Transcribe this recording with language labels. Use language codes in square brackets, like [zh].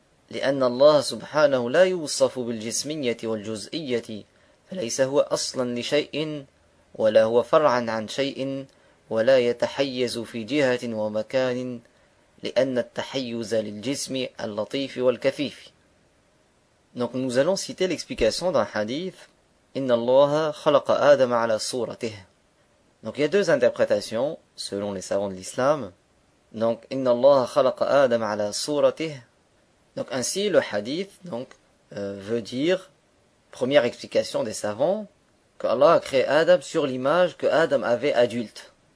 [ar] لأن الله سبحانه لا يوصف بالجسمية والجزئية فليس هو أصلا لشيء ولا هو فرعا عن شيء ولا يتحيز في جهة ومكان لأن التحيز للجسم اللطيف والكفيف. [fr] Donc nous allons citer l'explication d'un hadith. [ar] إن الله خلق آدم على صورته. [fr] Donc il y a deux interprétations selon les savants de l'islam. Donc [ar] إن الله خلق آدم على صورته. [fr] Donc ainsi, le hadith donc veut dire, première explication des savants, qu'Allah a créé Adam sur l'image que Adam avait adulte.